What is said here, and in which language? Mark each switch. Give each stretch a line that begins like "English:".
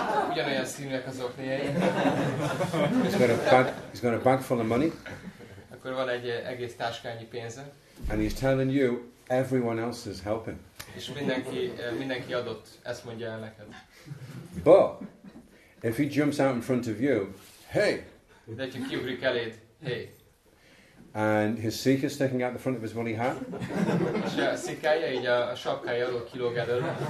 Hungarian: Ugyanolyan színűek az okniai.
English: He's got a bag full of money.
Hungarian: Akkor van egy egész táskányi pénze.
English: And he's telling you, everyone else is helping.
Hungarian: És mindenki adott, ezt mondja el neked.
English: But, if he jumps out in front of you, hey!
Hungarian: De hogyha kiugrik eléd, hey!
English: And his sikha is sticking out the front of his woolly hat.
Hungarian: Sikája, így a sapkája alól kilóg elől.